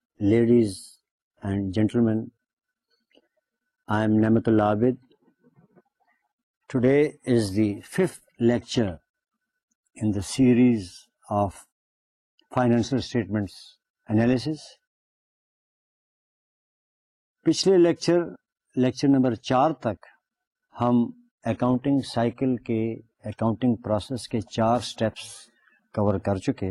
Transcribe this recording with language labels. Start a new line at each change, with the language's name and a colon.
English: Ladies and gentlemen, I am Nemat Allah Abid. Today is the fifth lecture in the series of financial statements analysis.
Urdu: پچھلے lecture lecture number 4 تک ہم accounting cycle کے accounting process کے 4 steps کور کر چکے.